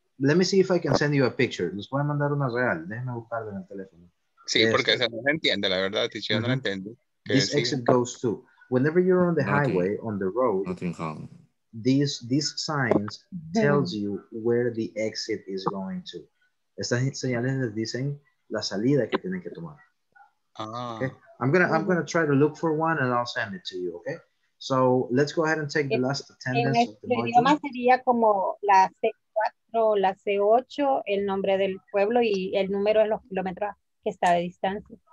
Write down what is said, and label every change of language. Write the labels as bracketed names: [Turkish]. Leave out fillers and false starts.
[English] Let me see if I can send you a picture. [Spanish] Les voy a mandar una real. Déjenme buscarla en el teléfono. Sí, porque se no entiende, la verdad. Si yo no la entiendo. [English] This exit goes to. Whenever you're on the highway, on the road. Nottingham. These signs tells you where the exit is going to. [Spanish] Estas señales les dicen la salida que tienen que tomar. [English] Okay? I'm gonna try to look for one and I'll send it to you, okay? So let's go ahead and take the last attendance of the module. [Spanish] En el idioma sería como la C4, la C8, el nombre del pueblo y el número de los kilómetros que está de distancia.